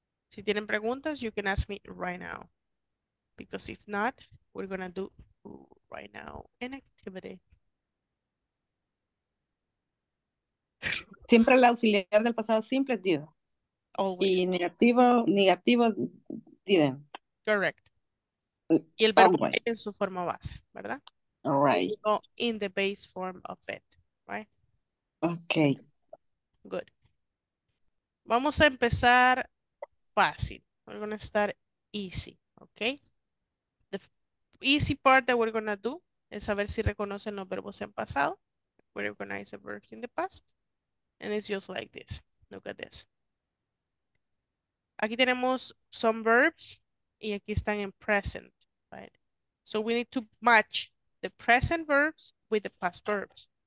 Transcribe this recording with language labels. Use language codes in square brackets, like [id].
[es] Si tienen preguntas, [en] you can ask me right now. Because if not, we're gonna do right now an activity. [es] Siempre el auxiliar del pasado simple es did. [en] Always. [es] Y negativo didn't. [en] Correct. [es] Y el verbo en su forma base, ¿verdad? [en] All right. No, in the base form of it, right? Okay. [es] Good. Vamos a empezar fácil. [en] We're going to start easy, okay? The easy part that we're going to do [es] es saber si reconocen los verbos en pasado. [en] We recognize the verbs in the past. And it's just like this. Look at this. [es] Aquí tenemos [en] some verbs [es] y aquí están en present. [en] Right. So we need to match the present verbs with the past verbs.